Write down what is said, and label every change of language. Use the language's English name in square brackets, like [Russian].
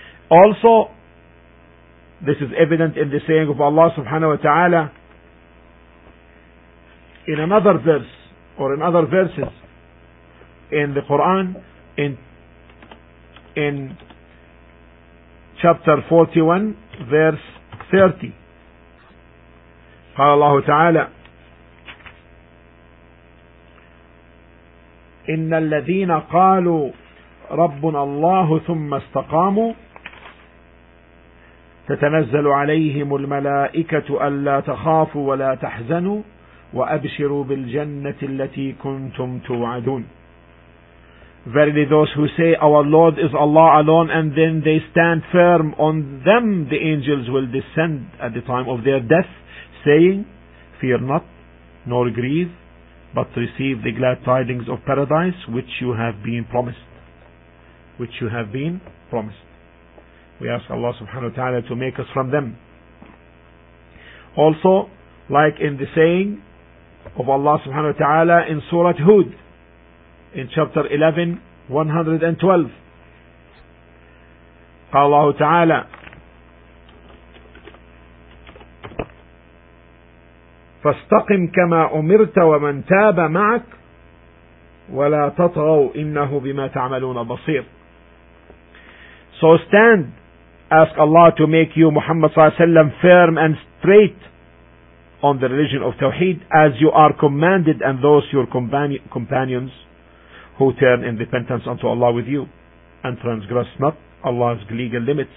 [English] Also, this is evident in the saying of Allah subhanahu wa ta'ala, in another verse, or in other verses, in the Quran, in chapter 41, verse 30. [Arabic] قال الله تعالى إن الذين قالوا ربنا الله ثم استقاموا تتنزل عليهم الملائكة ألا تخافوا ولا تحزنوا وأبشروا بالجنة التي كنتم توعدون. [English] Verily those who say our Lord is Allah alone, and then they stand firm on them, the angels will descend at the time of their death, saying, fear not, nor grieve, but receive the glad tidings of paradise, which you have been promised. Which you have been promised. We ask Allah subhanahu wa ta'ala to make us from them. Also, like in the saying of Allah subhanahu wa ta'ala in Surah Hud, in chapter 11, 112. [Arabic] قال الله تعالى فاستقم كما أمرت ومن تاب معك ولا تطغوا إنه بما تعملون بصير. [English] So stand, ask Allah to make you Muhammad [Arabic] صلى الله عليه وسلم [English] firm and straight on the religion of Tawheed, as you are commanded, and those your companions who turn in repentance unto Allah with you, and transgress not Allah's legal limits.